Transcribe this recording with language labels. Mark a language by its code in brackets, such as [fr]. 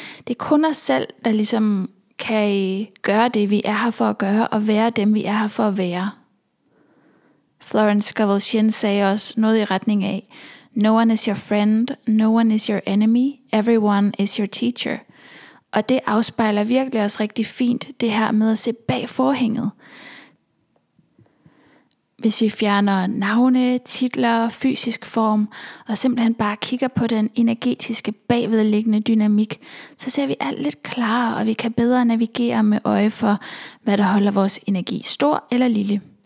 [da] Det er kun os selv, der ligesom kan gøre det, vi er her for at gøre, og være dem, vi er her for at være. Florence Govelshin sagde også noget i retning af, [en] "No one is your friend, no one is your enemy, everyone is your teacher." [da] Og det afspejler virkelig også rigtig fint, det her med at se bag forhænget. Hvis vi fjerner navne, titler, fysisk form, og simpelthen bare kigger på den energetiske bagvedliggende dynamik, så ser vi alt lidt klarere, og vi kan bedre navigere med øje for, hvad der holder vores energi stor eller lille.